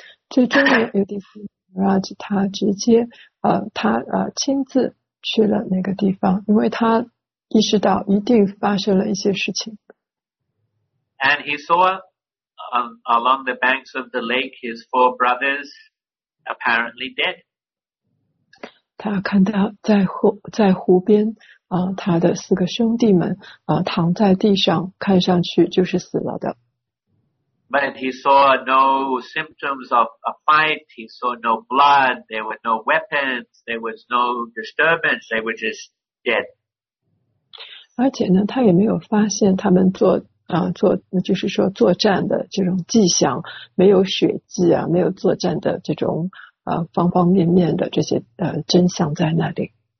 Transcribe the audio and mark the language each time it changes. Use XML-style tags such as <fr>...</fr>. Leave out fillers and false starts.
<zh>最终的 Yudhisthira Maharaj 他直接他亲自去了那个地方，因为他意识到一定发生了一些事情。</zh> <en>And he saw along the banks of the lake his four brothers apparently dead.</en> <zh>他看到在湖边他的四个兄弟们躺在地上，看上去就是死了的。</zh> <en>But he saw no symptoms of a fight, he saw no blood, there were no weapons, there was no disturbance, they were just dead.</en> <zh>而且呢，他也没有发现他们作战的这种迹象，没有血迹啊，没有作战的这种方方面面的这些真相在那里。</zh>